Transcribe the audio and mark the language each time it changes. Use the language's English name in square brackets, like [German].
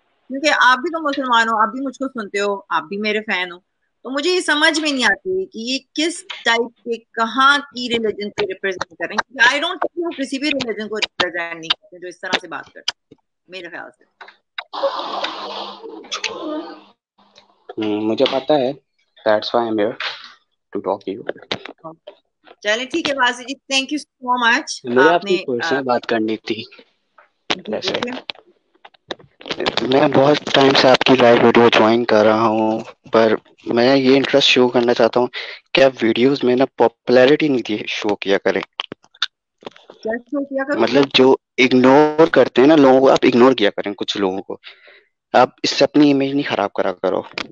[Hindi] क्योंकि आप भी तो मुसलमान हो, आप भी मुझको सुनते हो, आप भी मेरे फैन हो, तो मुझे ये समझ में नहीं आती कि ये किस टाइप के कहाँ की रिलीजन को रिप्रेजेंट कर रहे हैं। [English] I don't think [Hindi] किसी भी रिलीजन को रिप्रेजेंट नहीं करते जो इस तरह से बात करते, मेरे ख्याल से। मुझे पता है, [English] that's why I'm here to talk to you. [Hindi] चले ठीक है बाजी जी, [English] Thank you so much. [Hindi] आपने पर्सनल बात करनी थी। मैं बहुत टाइम से आपकी लाइव वीडियो ज्वाइन कर रहा हूँ, पर मैं ये इंटरेस्ट शो करना चाहता हूँ कि आप वीडियोस में ना पॉपुलैरिटी नहीं दिए शो किया करें, मतलब जो इग्नोर करते हैं ना लोगों को, आप इग्नोर किया करें कुछ लोगों को, आप इससे अपनी इमेज नहीं खराब करा करो।